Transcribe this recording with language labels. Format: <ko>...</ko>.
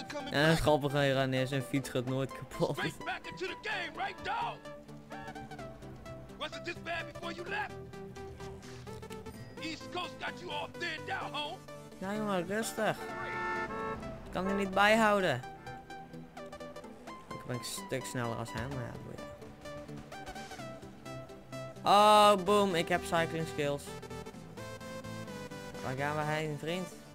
<nl>En grappig aan je rijden, zijn fiets gaat nooit kapot.</nl> <en>Straight back into the game, right dog? Was it this bad before you left? East Coast got you all thin down, home.</en> <nl>Ja jongen, rustig. Ik kan er niet bijhouden. Ik ben een stuk sneller als hem, maar ja, boeien. Oh, boom, ik heb</nl> <en>cycling skills.</en> <nl>Waar gaan we heen, vriend?</nl>